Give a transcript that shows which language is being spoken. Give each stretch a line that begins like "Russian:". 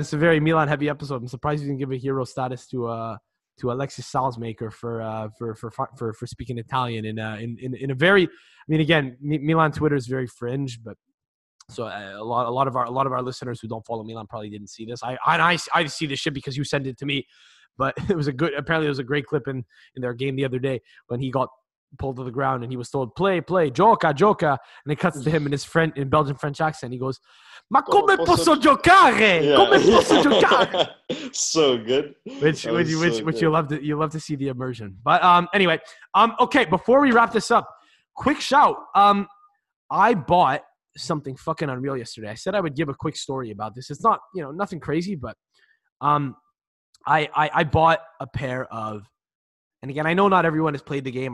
English: It's a very Milan heavy episode. I'm surprised you didn't give a hero status to Alexis Salzmaker for speaking Italian in a very, I mean, again, Milan Twitter is very fringe, but so a lot of our listeners who don't follow Milan probably didn't see this. I see this shit because you sent it to me, but it was apparently it was a great clip in their game the other day when he got pulled to the ground and he was told play gioca, and it cuts to him in Belgian French accent.
Italian: He goes, ma come posso giocare?
English: So good. You love to see the immersion. But okay, before we wrap this up, quick shout. I bought something fucking unreal yesterday. I said I would give a quick story about this. It's not, you know, nothing crazy, but I bought a pair of, and again, I know not everyone has played the game.